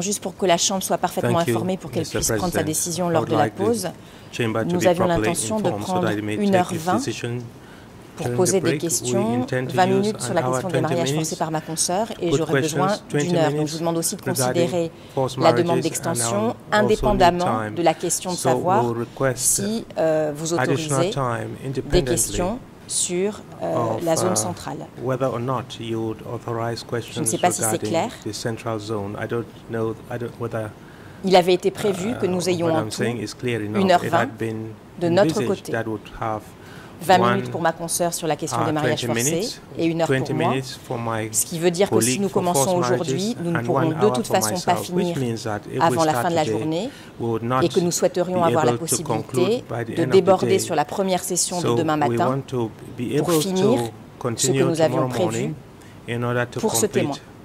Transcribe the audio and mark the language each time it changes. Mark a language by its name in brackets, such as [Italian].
[French] Juste pour que la Chambre soit parfaitement informée, pour qu'elle puisse prendre sa décision lors de la pause, nous avions l'intention de prendre 1h20 pour poser des questions, 20 minutes sur la question des mariages forcés par ma consœur, et j'aurai besoin d'une heure. Donc, je vous demande aussi de considérer la demande d'extension indépendamment de la question de savoir si vous autorisez des questions sur la zone centrale. [English] Whether or not you would authorize questions regarding the central zone, I don't know. I don't whether. [French] Il avait été prévu que nous ayons en tout 1h20 de notre côté. 20 minutes pour ma consœur sur la question des mariages forcés et 1h pour moi, ce qui veut dire que si nous commençons aujourd'hui, nous ne pourrons de toute façon pas finir avant la fin de la journée et que nous souhaiterions avoir la possibilité de déborder sur la première session de demain matin pour finir ce que nous avions prévu pour ce témoin.